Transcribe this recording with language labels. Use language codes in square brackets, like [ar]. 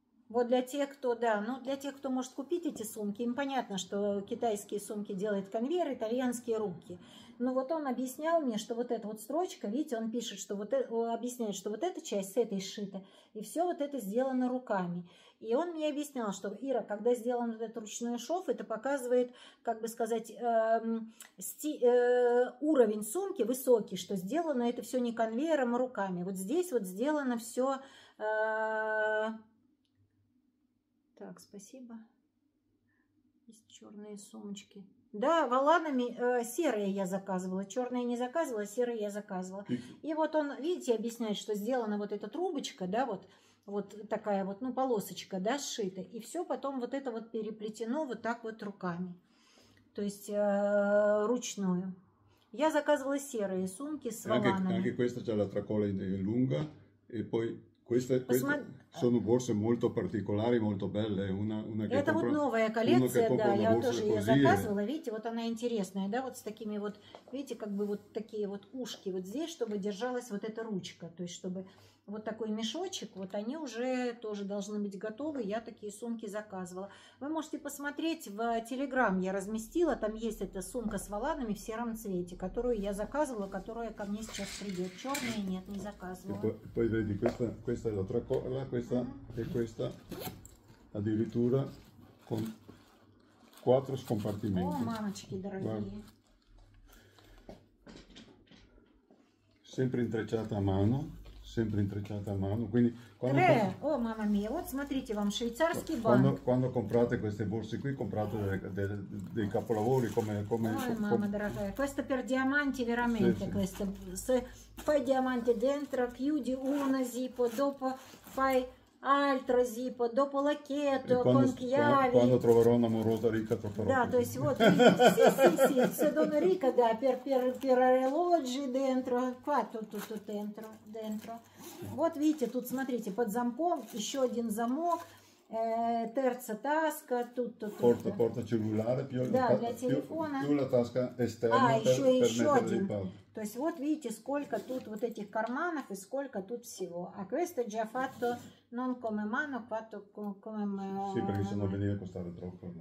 [ru] Вот для тех, кто, да, ну для тех, кто может купить эти сумки, им понятно, что китайские сумки делает конвейер, итальянские руки. Но вот он объяснял мне, что вот эта вот строчка, видите, он пишет, что вот это, объясняет, что вот эта часть с этой сшита, и все вот это сделано руками. И он мне объяснял, что, Ира, когда сделан вот этот ручной шов, это показывает, как бы сказать, уровень сумки высокий, что сделано это все не конвейером, а руками. Вот здесь вот сделано все... Так, спасибо. Есть черные сумочки. Да, воланами серые я заказывала. Черные не заказывала, серые я заказывала. И вот он, видите, объясняет, что сделана вот эта трубочка, да, вот такая вот, ну, полосочка, да, сшита. И все потом вот это вот переплетено вот так вот руками. То есть ручную. Я заказывала серые сумки с воланами. [it] Sono borse molto particolari, molto belle, una che compro. [ru] Это вот новая коллекция, да, я тоже ее заказывала, видите, вот она интересная, да, вот с такими вот, видите, как бы вот такие вот ушки вот здесь, чтобы держалась вот эта ручка, то есть чтобы вот такой мешочек, вот они уже тоже должны быть готовы, я такие сумки заказывала. Вы можете посмотреть в Telegram, я разместила, там есть эта сумка с воланами в сером цвете, которую я заказывала, которая ко мне сейчас придет. Черная нет, не заказывала. Подожди, [it] questa è l'altra cola, questa e questa addirittura con quattro scompartimenti. [ru] О, мамочки дорогие. [it] Sempre intrecciata a mano. Sempre intrecciata a mano, quindi quando tre, oh mamma mia, [ru] вот смотрите вам швейцарский банк. [it] Quando comprate queste borse qui, comprate dei capolavori come oh, mamma дорогая, questo per diamanti veramente, sì, questo se fai diamante dentro, chiudi una zippo, dopo fai altro zippo, dopo lacchetto con chiavi. Quando troverò una morosa ricca, troverò. [ru] Да, то есть вот, [it] sì, se donna ricca, да, per orologi dentro, qua tutto dentro. [ru] Вот видите, тут смотрите, под замком еще один замок, [it] terza tasca, tutto. Porta cellulare, più [ru] да, для телефона. [it] Più la tasca esterna. [ru] А еще один. То есть вот видите, сколько тут вот этих карманов и сколько тут всего. [it] А questo già fatto non come mano, fatto come sì, perché sennò veniva a costare troppo.